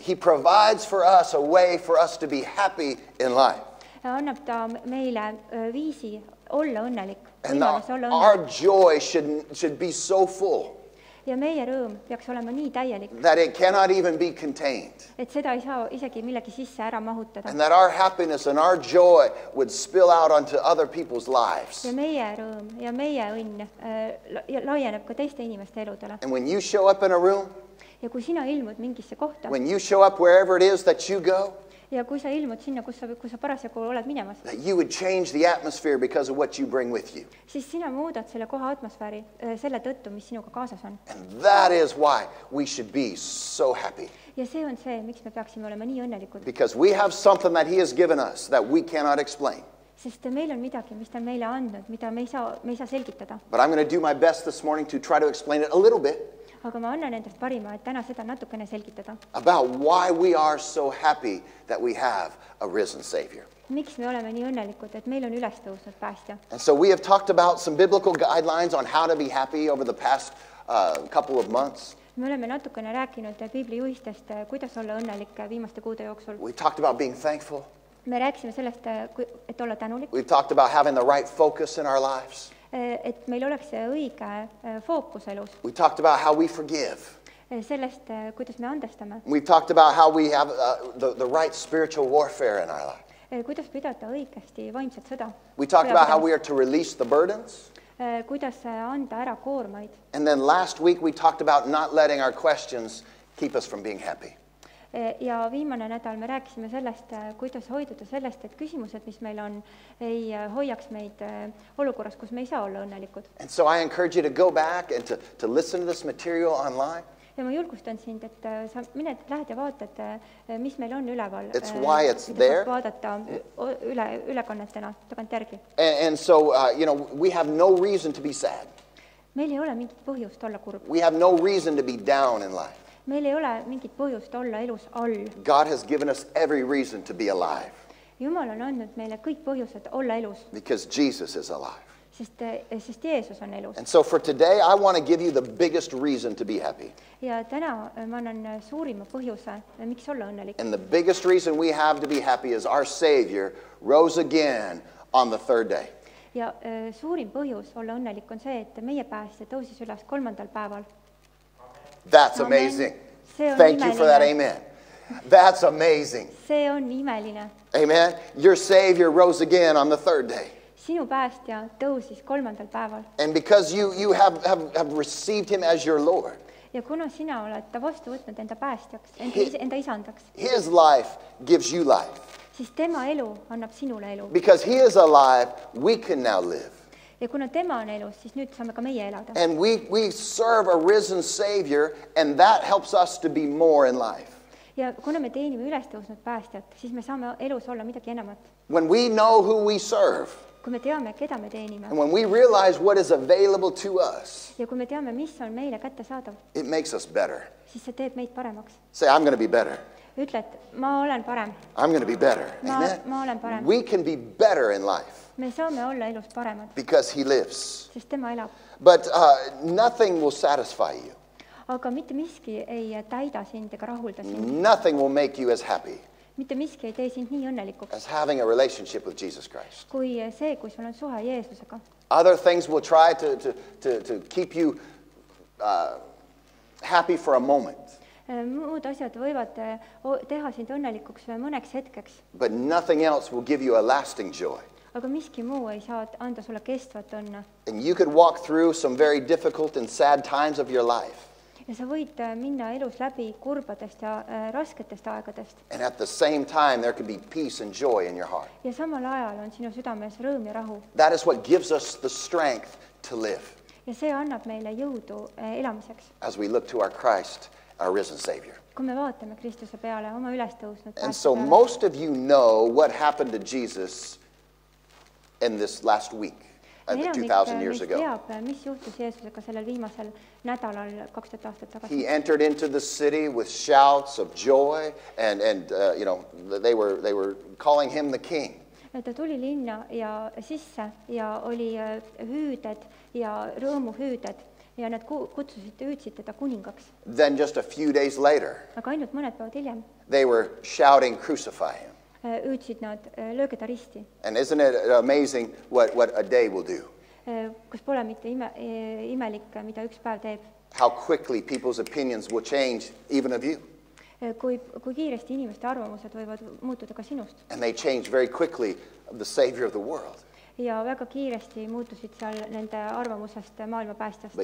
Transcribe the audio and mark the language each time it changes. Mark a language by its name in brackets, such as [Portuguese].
[English] he provides for us a way for us to be happy in life. [Estonian] Ja annab ta meile viisi olla õnnelik. [English] And [Estonian] õnnelik. [English] Our joy should be so full. [Estonian] Ja meie rõõm peaks olema nii täielik. [English] That it cannot even be contained. [Estonian] Et seda ei saa isegi millegi sisse ära mahutada. [English] And that our happiness and our joy would spill out onto other people's lives. [Estonian] Ja meie rõõm ja meie õnn laieneb ka teiste inimeste eludele. [English] And when you show up in a room, [Estonian] ja kui sina ilmud mingisse kohta, [English] when you show up wherever it is that you go, [Estonian] ja kui sa ilmud sinna, kus sa parasjagu oled minemas, [English] that you would change the atmosphere because of what you bring with you. [Estonian] Siis sina muudad selle koha atmosfääri selle tõttu, mis sinuga kaasas on. [English] And that is why we should be so happy. [Estonian] Ja see on see, miks me peaksime olema nii õnnelikud. [English] Because we have something that he has given us that we cannot explain. [Estonian] Sest meil on midagi, mis ta meile andnud, mida me ei saa selgitada. [English] But I'm going to do my best this morning to try to explain it a little bit. [Estonian] Aga ma annan endast parima, et täna seda natukene selgitada. [English] About why we are so happy that we have a risen Savior. [Estonian] Miks me oleme nii õnnelikud, et meil on ülestõusnud päästja. [English] And so we have talked about some biblical guidelines on how to be happy over the past couple of months. [Estonian] Me oleme natukene rääkinud Biibli juhistest, kuidas olla õnnelik viimaste kuude jooksul. [English] We talked about being thankful. [Estonian] Me rääksime sellest, et olla tänulik. [English] We talked about having the right focus in our lives. [Estonian] Et meil oleks õige fookus elus. [English] We talked about how we forgive. [Estonian] Sellest, kuidas me andestame. [English] We talked about how we have the right spiritual warfare in our life. [Estonian] Kuidas pidata õigesti vaimset sõda. [English] We talked about how we are to release the burdens. [Estonian] Kuidas anda ära koormaid. [English] And then last week we talked about not letting our questions keep us from being happy. [Estonian] Ja viimane nädal me rääkisime sellest, kuidas hoiduda sellest, et küsimused, mis meil on, ei hoiaks meid olukorras, kus me ei saa olla õnnelikud. [English] And so I encourage you to go back and to listen to this material online. [Estonian] Ja ma julgustan sind, et sa mine lähed ja vaatad, mis meil on üleval. [English] It's why it's there. [Estonian] Vaadata ülekannetena, tagant järgi. [English] And so, you know, we have no reason to be sad. [Estonian] Meil ei ole mingit põhjust olla kurb. [English] We have no reason to be down in life. [Estonian] Meil ei ole mingit põhjust olla elus all. [English] God has given us every reason to be alive. [Estonian] Jumal on andnud meile kõik põhjused olla elus. [English] Because Jesus is alive. [Estonian] sest Jeesus on elus. [English] And so for today, I want to give you the biggest reason to be happy. [Estonian] Ja täna ma annan suurima põhjuse, miks olla õnnelik. [English] And the biggest reason we have to be happy is our Savior rose again on the third day. [Estonian] Ja suurim põhjus olla õnnelik on see, et meie päästja tõusis üles kolmandal päeval. [English] That's amazing. Thank you for that, amen. That's amazing. [Estonian] See on imeline. [English] Amen. Your Savior rose again on the third day. [Estonian] Sinu päästja tõusis kolmandal päeval. [English] And because you have received him as your Lord. [Estonian] Ja kuna sina oled ta vastu võtnud enda päästjaks, enda isandaks. [English] His life gives you life. [Estonian] Siis tema elu annab sinule elu. [English] Because he is alive, we can now live. [Estonian] Ja kuna tema on elus, siis nüüd saame ka meie elada. [English] And we serve a risen Savior, and that helps us to be more in life. [Estonian] Ja kuna me teenime ülestõusnud päästjat, siis me saame elus olla midagi enamat. [English] When we know who we serve, [Estonian] kui me teame, keda me teenime, [English] and when we realize what is available to us, [Estonian] ja kui me teame, mis on meile kätte saadav, [English] it makes us better. [Estonian] Siis see teeb meid paremaks. [English] Say, I'm going to be better. [Estonian] Ütled, ma olen parem. [English] I'm going to be better. Amen. [Estonian] Ma olen parem. [English] We can be better in life. [Estonian] Me saame olla elus paremad. [English] Because he lives. [Estonian] Sest tema elab. [English] But nothing will satisfy you. [Estonian] Aga mitte miski ei täida sind ega rahulda sind. [English] Nothing will make you as happy. [Estonian] Mitte miski ei tee sind nii õnnelikuks. [English] As having a relationship with Jesus Christ. [Estonian] Kui see, kui sul on suhe Jeesusega. [English] Other things will try to keep you happy for a moment. [Estonian] Muud asjad võivad teha sind õnnelikuks mõneks hetkeks. [English] But nothing else will give you a lasting joy. [Estonian] Aga miski muu ei saa anda sulle kestvat tunne. [English] And you could walk through some very difficult and sad times of your life. [Estonian] Ja sa võid minna elus läbi kurbadest ja rasketest aegadest. [English] And at the same time there could be peace and joy in your heart. [Estonian] Ja samal ajal on sinu südames rõõm ja rahu. [English] That is what gives us the strength to live. [Estonian] Ja see annab meile jõudu elamiseks. [English] As we look to our Christ, our risen Savior. [Estonian] Kui me vaatame Kristuse peale, oma ülestõusnud päästja. [English] And so most of you know what happened to Jesus in this last week, 2,000 years ago. [Estonian] Teab, mis juhtus Jeesusega sellel viimasel nädalal 2000 aastat tagasi. [English] He entered into the city with shouts of joy and you know, they were calling him the king. [Estonian] Ta tuli linna ja sisse ja oli hüüded ja rõõmu hüüded. Ja nad hüüdsid teda kuningaks. [English] Then just a few days later, [Estonian] aga ainult mõned päevad hiljem, [English] they were shouting, crucify him. [Estonian] Hüüdsid nad, lööge ta risti. [English] And isn't it amazing what a day will do? [Estonian] Kus pole mitte imelik, mida üks päev teeb. [English] How quickly people's opinions will change even of you. [Estonian] Kui kiiresti inimeste arvamused võivad muutuda ka sinust. [English] And they change very quickly the Savior of the world. [Estonian] Ja väga kiiresti muutusid seal nende arvamusest maailma päästjast.